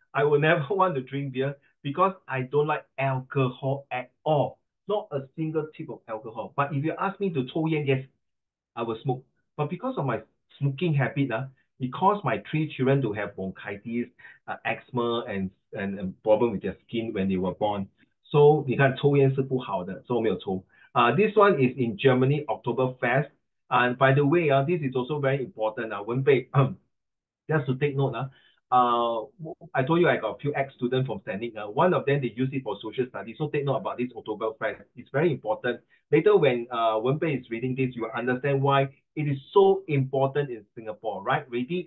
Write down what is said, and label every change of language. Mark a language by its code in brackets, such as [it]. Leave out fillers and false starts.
[en] I will never want to drink beer because I don't like alcohol at all. Not a single tip of alcohol. But if you ask me to [zh] chow yen, [en] yes, I will smoke. But because of my smoking habit, it caused my three children to have bronchitis, asthma, and problem with their skin when they were born. [zh] So, 你看,抽烟是不好的,所以我没有抽. [en] This one is in Germany, Oktoberfest. And by the way, this is also very important. Wenbei, just to take note, I told you I got a few ex-students from standing. One of them, they use it for social studies. So take note about this Oktoberfest. It's very important. Later when Wenbei is reading this, you will understand why it is so important in Singapore, right? Ready?